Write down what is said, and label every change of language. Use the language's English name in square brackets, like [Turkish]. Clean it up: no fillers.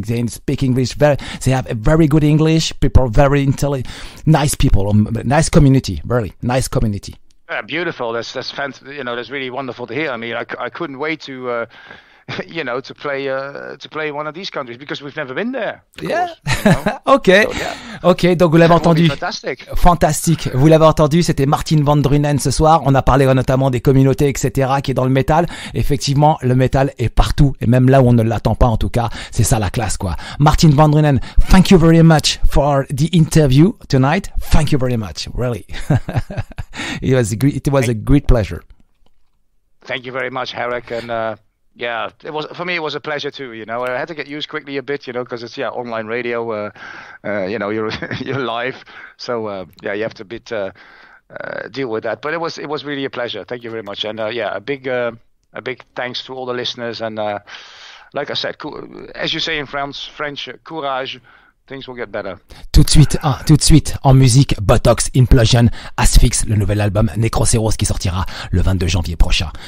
[English] They speak English, they have a very good English, people are very intelligent, nice people, nice community, really, nice community. Yeah, beautiful. That's fantastic. You know, that's really wonderful to hear. I mean, I couldn't wait to, you know, to play one of these countries, because we've never been there. Yeah. Course, you know? Okay. So, yeah. [French] Ok, donc vous l'avez entendu. [English] Fantastic. [French] Fantastique. Vous l'avez entendu, c'était Martin van Drunen ce soir. On a parlé notamment des communautés, etc., qui est dans le métal. Effectivement, le métal est partout, et même là où on ne l'attend pas, en tout cas. C'est ça la classe, quoi. [English] Martin van Drunen, thank you very much for the interview tonight. Thank you very much, really. It was a great pleasure. Thank you very much, Herrick, and... Yeah, it was for me. It was a pleasure too. You know, I had to get used quickly a bit. You know, because it's online radio. You know, you're live. So yeah, you have to deal with that. But it was really a pleasure. Thank you very much. And a big thanks to all the listeners. And like I said, as you say in French, courage. Things will get better. [French] Tout de suite en musique, Botox Implosion, Asphyx, le nouvel album Necroceros qui sortira le 22 janvier prochain.